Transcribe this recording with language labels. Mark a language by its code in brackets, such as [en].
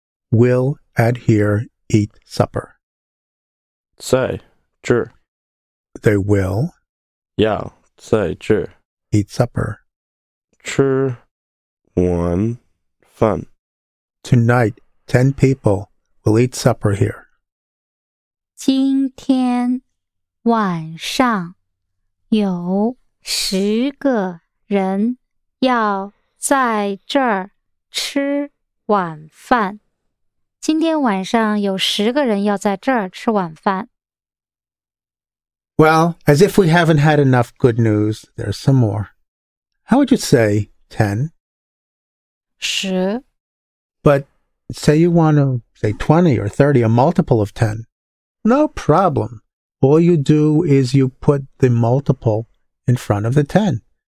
[en] will adhere eat supper. [zh] 在这 [en] they will [zh] 要在这 [en] eat supper. [zh] 吃晚饭 [en] tonight 10 people will eat supper here. [zh] 今天晚上有十个人要在这儿吃晚饭。今天晚上有十个人要在这儿吃晚饭。 [en] Well, as if we haven't had enough good news, there's some more. How would you say 10? [zh] 十. [en] But say you want to say 20 or 30, a multiple of 10. No problem. All you do is you put the multiple in front of the 10.